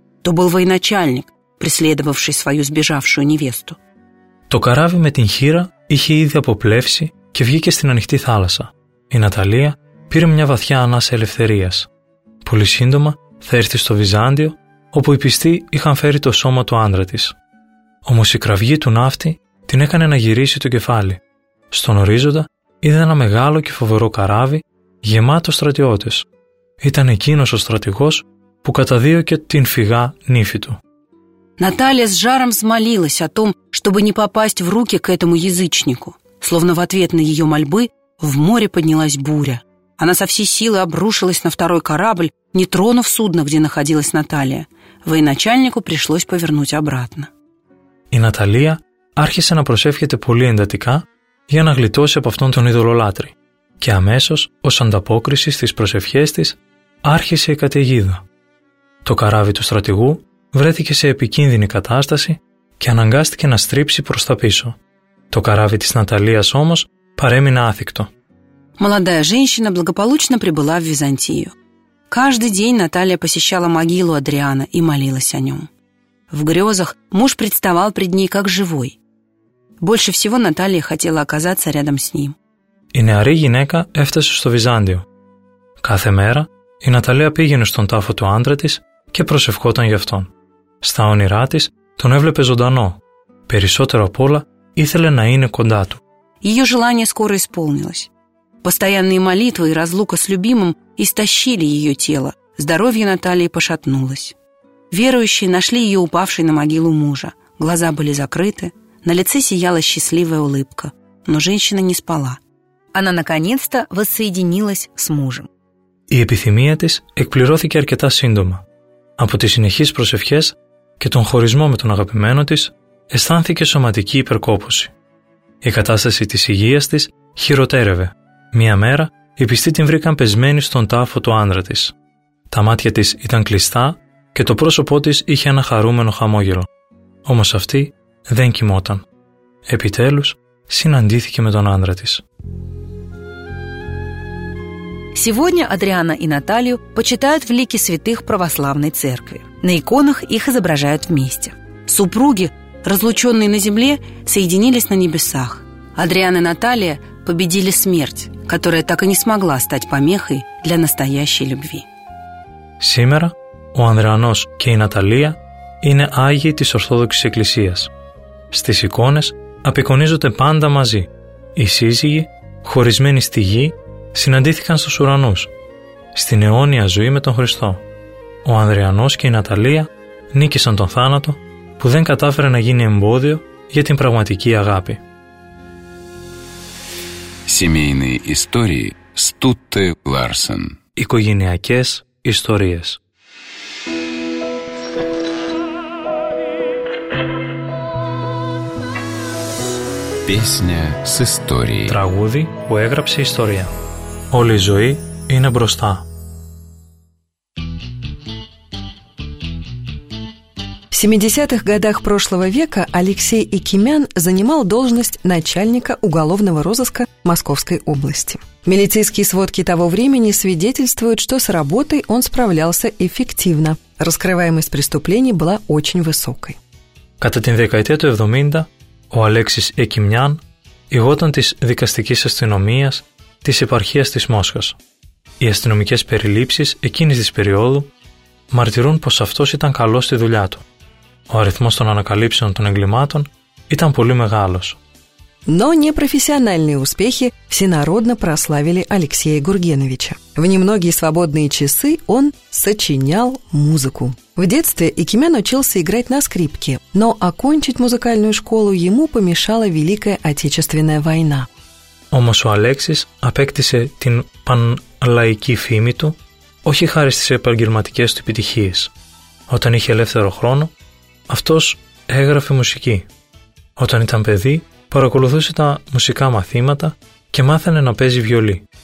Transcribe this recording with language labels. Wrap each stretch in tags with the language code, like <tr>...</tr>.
<ru>То был военачальник, преследовавший свою сбежавшую невесту. То корабль</ru> <el>με την хира είχε ήδη αποπλεύσει και βγήκε στην ανοιχτή θάλασσα. Η Ναταλία πήρε μια βαθιά ανάσα ελευθερίας. Πολύ σύντομα θα έρθει στο Βυζάντιο, όπου οι πιστοί είχαν φέρει το σώμα του άντρα της. Όμως η κραυγή του ναύτη την έκανε να γυρίσει το κεφάλι. Στον ορίζοντα είδε ένα μεγάλο και φοβερό καράβι γεμάτο στρατιώτες. Ήταν εκείνος ο στρατηγός που καταδίωκε την φυγά νύφη του.</el> <ru>Наталья с жаром взмолилась о том, чтобы не попасть в руки к этому язычнику. Словно в ответ на ее мольбы в море поднялась буря. Она со всей силы обрушилась на второй корабль, не тронув судно, где находилась Наталья. Военачальнику пришлось повернуть обратно.</ru> <el>Η Ναταλία άρχισε να προσεύχεται πολύ εντατικά για να γλιτώσει από αυτόν τον ειδωλολάτρη και αμέσως, ως ανταπόκριση στις προσευχές της, άρχισε η καταιγίδα. Το καράβι του στρατηγού βρέθηκε σε επικίνδυνη κατάσταση και αναγκάστηκε να στρίψει προς τα πίσω. Το καράβι της Ναταλίας όμως παρέμεινε άθικτο.</el> <ru>Молодая женщина благополучно прибыла в Византию. Каждый день Наталья посещала могилу Адриана и молилась о нем. В грезах муж представал пред ней как живой. Больше всего Наталья хотела оказаться рядом с ним.</ru> <el>Η νεαρή γυναίκα έφτασε στο Βυζάντιο. Κάθε μέρα η Ναταλία πήγαινε στον τάφο του άντρα της και προσευχόταν γι' αυτόν. Στα όνειρά της τον έβλεπε ζωντανό. Περισσότερο απ' όλα ήθελε να είναι κοντά του.</el> <ru>Ее желание скоро исполнилось. Постоянные молитвы и разлука с любимым истощили ее тело, здоровье Натальи пошатнулось. Верующие нашли ее упавшей на могилу мужа, глаза были закрыты, на лице сияла счастливая улыбка, но женщина не спала. Она наконец-то воссоединилась с мужем.</ru> <el>Η επιθυμία της εκπληρώθηκε αρκετά σύντομα. Από τις συνεχείς προσευχές και τον χωρισμό με τον αγαπημένο της, αισθάνθηκε σωματική υπερκόπωση. Η κατάσταση της υγείας της χειροτέρευε. Μία μέρα, οι πιστοί την βρήκαν πεσμένη στον τάφο του άντρα της. Τα μάτια της ήταν κλειστά και το πρόσωπό της είχε ένα χαρούμενο χαμόγελο. Όμως αυτή δεν κοιμόταν. Επιτέλους, συναντήθηκε με τον άντρα της.</el> <ru>Сегодня Адриана и Наталью почитают в лике святых православной церкви. На иконах их изображают вместе. Супруги, разлученные на земле, соединились на небесах. Адриана и Наталья победили смерть, которая так и не смогла стать помехой для настоящей любви. Сегодня у</ru> <el>Адрианос и Наталья είναι Άγιοι της Ορθόδοξης Εκκλησίας. Στις εικόνες απεικονίζονται πάντα μαζί. Οι σύζυγοι, χωρισμένοι στη γη, συναντήθηκαν στους ουρανούς, στην αιώνια ζωή με τον Χριστό. Ο Ανδριανός και η Ναταλία νίκησαν τον θάνατο που δεν κατάφερε να γίνει εμπόδιο για την πραγματική αγάπη.</el> <ru>Семейные истории Стутте Ларсен.</ru> <el>Οικογενειακές ιστορίες.</el> <ru>Песня с историей.</ru> <el>Τραγούδι που έγραψε ιστορία. Όλη η ζωή είναι μπροστά.</el> <ru>В 70-х годах прошлого века Алексей Икимян занимал должность начальника уголовного розыска Московской области. Милицейские сводки того времени свидетельствуют, что с работой он справлялся эффективно. Раскрываемость преступлений была очень высокой.</ru> <el>Κατά την δεκαετία του 70, ο Αλέξης Ικημιάν ηγόταν της δικαστικής αστυνομίας της επαρχίας της Μόσχας. Οι αστυνομικές περιλήψεις εκείνης της περίοδου μαρτυρούν πως αυτός ήταν καλός στη δουλειά του. Ο αριθμός των ανακαλύψεων των εγκλημάτων ήταν πολύ μεγάλος.</el> <ru>Но непрофессиональные успехи всенародно прославили Алексея Гургеновича. В немногие свободные часы он сочинял музыку. В детстве Икимян учился играть на скрипке, но окончить музыкальную школу ему помешала Великая Отечественная война.</ru> <el>Όμως ο Αλέξης απέκτησε την πανλαϊκή φήμη του όχι χάρη στις επαγγελματικές του επιτυχίες. Όταν είχε ελεύθερο χρόνο, αυτός έγραφε μουσική. Όταν ήταν παιδί, παρακολουθούσε τα μουσικά μαθήματα και μάθαινε να παίζει βιολί.</el>